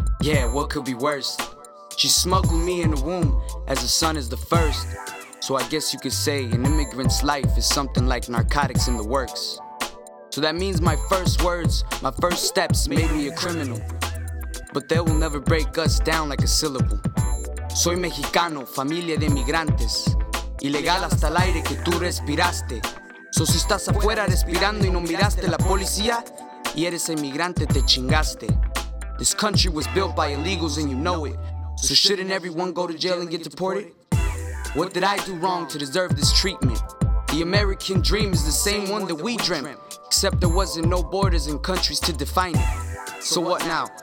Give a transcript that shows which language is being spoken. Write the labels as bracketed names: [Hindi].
[English] Yeah, what could be worse? She smuggled me in the womb as a son is the first. So I guess you could say an immigrant's life is something like narcotics in the works. So that means my first words, my first steps made me a criminal. But they will never break us down like a syllable. [Spanish] Soy mexicano, familia de migrantes. Ilegal hasta el aire que tú respiraste. So si estás afuera respirando y no miraste la policía, y eres emigrante, te chingaste. [English] This country was built by illegals and you know it. So shouldn't everyone go to jail and get deported? What did I do wrong to deserve this treatment? The American dream is the same one that we dreamt. Except there wasn't no borders and countries to define it. So what now?